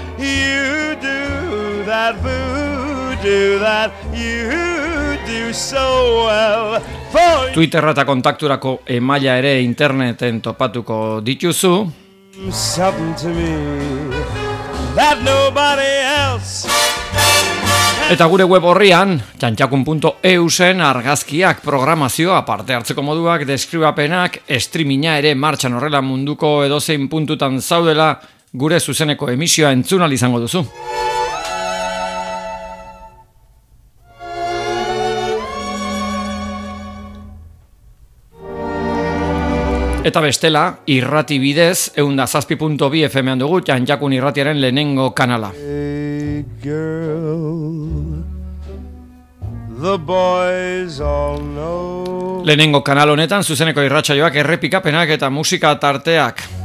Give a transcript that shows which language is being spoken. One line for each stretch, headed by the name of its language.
English: You do that voodoo that you do so well for.
Basque: Twitterra eta kontakturako emaila ere interneten topatuko dituzu.
English: Something to me that nobody else.
Basque: Eta gure web horrian, jantxakun.eusen argazkiak, programazioa, parte hartzeko moduak, deskribapenak, streaminga ere martxan horrela munduko edozein puntutan zaudela, gure zuzeneko emisioa entzun ahal izango duzu. Eta bestela, irrati bidez, 107.bfm-an dugu Janjakun irratiaren lehenengo kanala.
English: Hey girl, the boys all know.
Basque: Lehenengo kanal honetan, zuzeneko irratsaioak, errepikapenak eta musika tarteak.